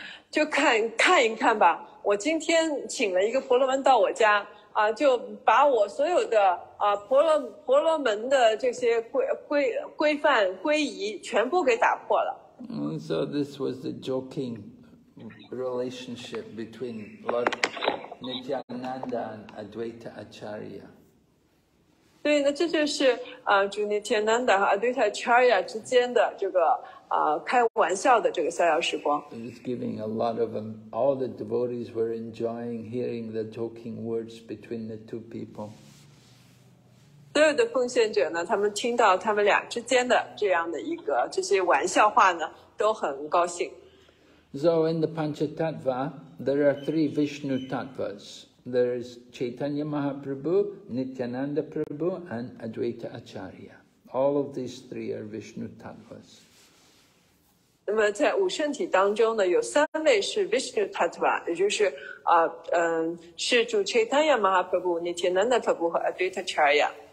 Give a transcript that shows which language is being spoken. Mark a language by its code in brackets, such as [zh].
[zh] 就看一看吧，我今天请了一个婆罗门到我家就把我所有的婆罗门的这些规范规仪全部给打破了。 [en] So this was the joking relationship between Lord Nityananda and Advaita Acharya. [zh] 所以呢，这就是朱尼天南达和阿杜塔查亚之间的这个开玩笑的这个逍遥时光。 [en] It's giving a lot of them. All the devotees were enjoying hearing the joking words between the two people. [zh] 所有的奉献者呢，他们听到他们俩之间的这样的一个这些玩笑话呢，都很高兴。 [en] So in the Panchatattva, there are three Vishnu Tattvas. There is Chaitanya Mahaprabhu, Nityananda Prabhu, and Advaita Acharya. All of these three are Vishnu Tattvas. [zh] 那么在五圣体当中呢，有三位是 Vishnu Tattva， 也就是是主 Chaitanya Mahaprabhu, Nityananda Prabhu 和 Advaita Acharya.